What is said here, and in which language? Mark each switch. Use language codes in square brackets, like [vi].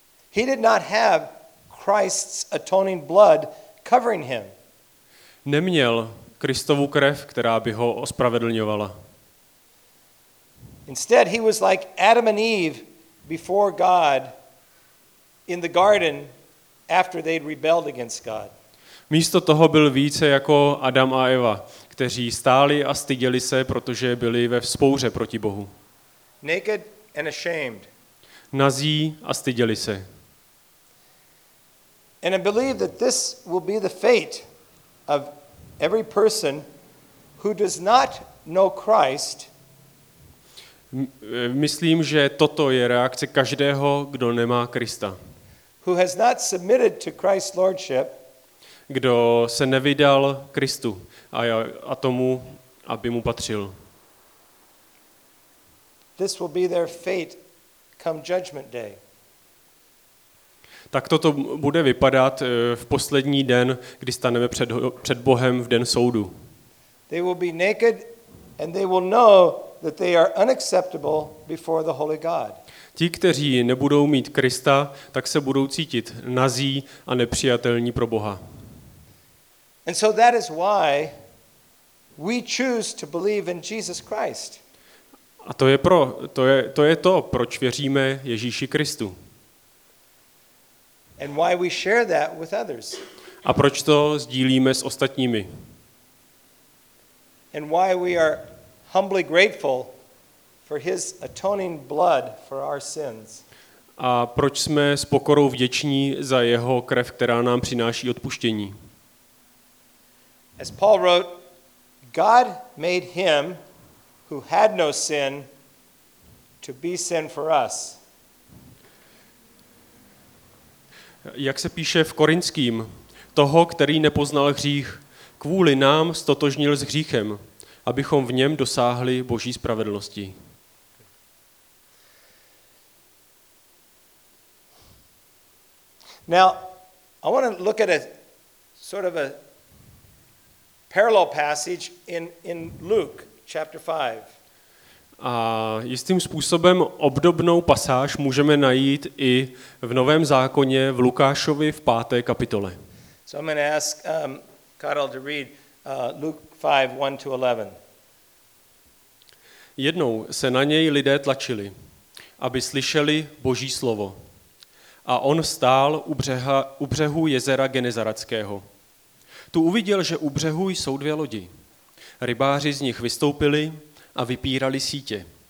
[en] He did not have Christ's atoning blood covering him. [cs] Neměl Kristovu krev, která by ho ospravedlňovala. [en] Instead, he was like Adam and Eve before God in the garden after they'd rebelled against God. [cs] Místo toho byl více jako Adam a Eva, kteří stáli a styděli se, protože byli ve vzpouře proti Bohu. [en] Naked and ashamed. [cs] Nazí a styděli se. [en] And I believe that this will be the fate of every person who does not know Christ. [cs] Myslím, že toto je reakce každého, kdo nemá Krista. [en] Who has not submitted to Christ's lordship. [cs] Kdo se nevydal Kristu a tomu, aby mu patřil. [en] This will be their fate come judgment day. [cs] Tak toto bude vypadat v poslední den, kdy staneme před Bohem v den soudu. [en] They will be naked and they will know that they are unacceptable before the holy God. [cs] Ti, kteří nebudou mít Krista, tak se budou cítit nazí a nepřijatelní pro Boha. [en] And so that is why we choose to believe in Jesus Christ. [cs] A to je to, proč věříme Ježíši Kristu. [en] And why we share that with others. [cs] A proč to sdílíme s ostatními. [en] And why we are humbly grateful for his atoning blood for our sins. [cs] A proč jsme s pokorou vděční za jeho krev, která nám přináší odpuštění. [en] As Paul wrote, God made him who had no sin to be sin for us. [cs] Jak se píše v Korinským, toho, který nepoznal hřích, kvůli nám ztotožnil s hříchem, abychom v něm dosáhli Boží spravedlnosti. [en] Now, I want to look at a sort of a parallel passage in Luke chapter 5. [cs] A jistým způsobem obdobnou pasáž můžeme najít i v Novém zákoně v Lukášovi v 5. kapitole. [en] So I'm going to ask Karel to read Luke 5, 1 to 11. [cs] Jednou se na něj lidé tlačili, aby slyšeli Boží slovo. A on stál u břehu jezera Genezaretského. Tu uviděl, že u břehu jsou dvě lodi. Rybáři z nich vystoupili a vypírali sítě.